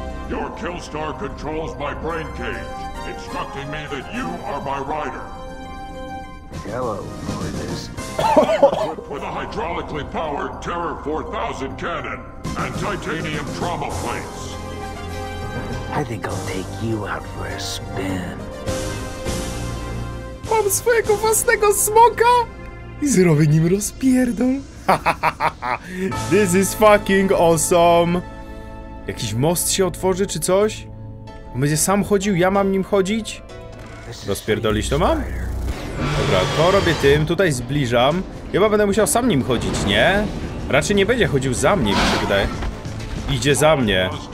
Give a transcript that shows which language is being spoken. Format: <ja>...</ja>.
<en>Your Killstar controls my brain cage, instructing me that you are my rider. Hello, Mortis. With a hydraulically powered Terror 4000 cannon and titanium trauma plates. I think I'll take you out for a spin.</en> <pl>Mam swojego własnego smoka i zrobię nim rozpierdol.</pl> <en>This is fucking awesome.</en> <pl>Jakiś most się otworzy, czy coś? On będzie sam chodził, ja mam nim chodzić? Rozpierdolić to mam? Dobra, to robię tym, tutaj zbliżam. Chyba będę musiał sam nim chodzić, nie? Raczej nie będzie chodził za mnie, mi się wydaje. Idzie za mnie.</pl>